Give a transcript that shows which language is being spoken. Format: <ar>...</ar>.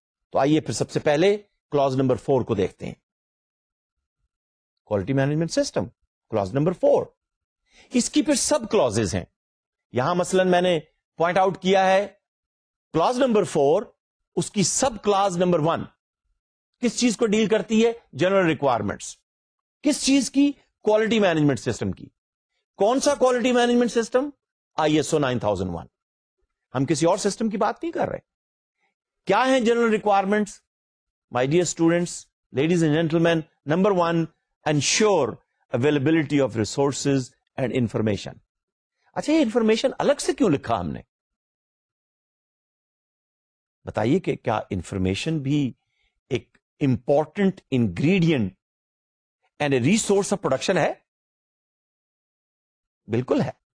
<ur>تو آئیے پھر سب سے پہلے کلاز نمبر فور کو دیکھتے ہیں, quality management system Claus number four. اس کی پھر سب کلازز ہیں. یہاں مثلا میں نے پوائنٹ آؤٹ کیا ہے کلاز نمبر فور, اس کی سب کلاز نمبر ون کس چیز کو ڈیل کرتی ہے, جنرل ریکوائرمنٹس. کس چیز کی, کوالٹی مینجمنٹ سسٹم کی. کون سا quality management system, I S O 9001. ہم کسی اور سسٹم کی بات نہیں کر رہے. کیا ہیں general requirements,</ur> <en>My dear students, ladies and gentlemen, number one, ensure availability of resources and information.</en> <ur>اچھا یہ انفارمیشن الگ سے کیوں لکھا ہم نے, بتائیے کہ کیا انفارمیشن بھی ایک</ur> <en>important ingredient and a resource of production</en> <ur>ہے؟ بالکل ہے.</ur>